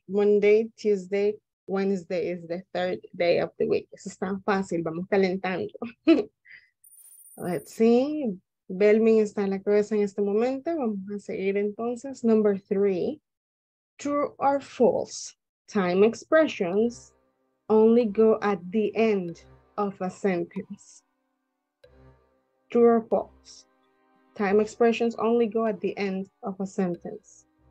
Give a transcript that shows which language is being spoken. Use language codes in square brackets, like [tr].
[en] Monday, Tuesday, Wednesday is the third day of the week. [es] Eso es tan fácil, vamos calentando. [en] Let's see. [es] Belmin está en la cabeza en este momento. Vamos a seguir entonces. [en] Number three. True or false? Time expressions only go at the end of a sentence. True or false? Time expressions only go at the end of a sentence.